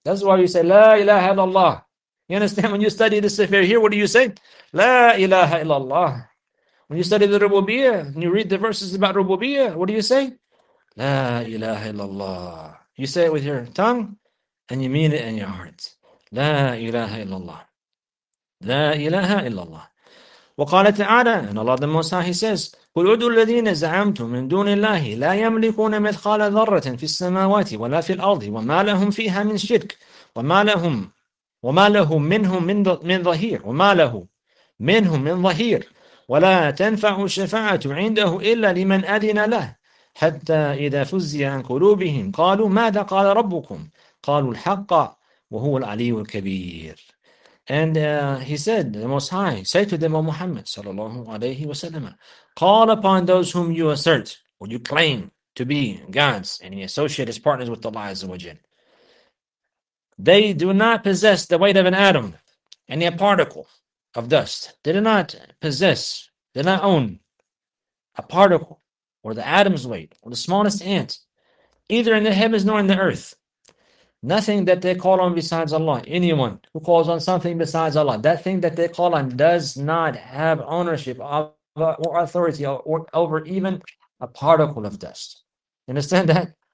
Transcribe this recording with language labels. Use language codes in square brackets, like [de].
[en] That's why we say, La ilaha illallah. You understand? When you study this affair here, what do you say? La ilaha illallah. When you study the Rububiyyah, and you read the verses about Rububiyyah, what do you say? La ilaha illallah. You say it with your tongue, and you mean it in your heart. [ar] La ilaha illallah. La ilaha illallah. وَقَالَ تَعَالَى [en] And Allah the Most High, He says, [ar] قُلْ عُدُوا الَّذِينَ زَعَمْتُمْ مِنْ دُونِ اللَّهِ لَا يَمْلِكُونَ مِثْقَالَ ذَرَّةٍ فِي السَّمَاوَاتِ وَلَا فِي الْأَرْضِ وَمَا لَهُمْ فِيهَا مِنْ شِرْكٍ وَمَا لَهُمْ وَمَا لَهُ مِنْهُمْ مِنْ ظَهِيرٍ وَمَا لَهُ مِنْهُمْ مِنْ ظَهِيرٍ وَلَا تَنْفَعُ الشَّفَاعَةُ عِنْدَهُ إِلَّا لِمَنْ أَذِنَ لَهُ حَتَّى إِذَا فُزِّيَ عَنْ قُلُوبِهِمْ قَالُوا مَاذَا قَالَ رَبُّكُمْ قَالُوا الْحَقَّ وَهُوَ الْعَلِيُّ الْكَبِيرُ [en] And he said, the Most High, say to them, O Muhammad, sallallahu alayhi wa sallam, call upon those whom you assert, or you claim to be gods, and you associate as partners with Allah Azza wa Jal. They do not possess the weight of an atom, any a particle of dust. They do not possess, they do not own a particle or the atom's weight or the smallest ant, either in the heavens nor in the earth. Nothing that they call on besides Allah, anyone who calls on something besides Allah, that thing that they call on does not have ownership of or authority over even a particle of dust. Understand that?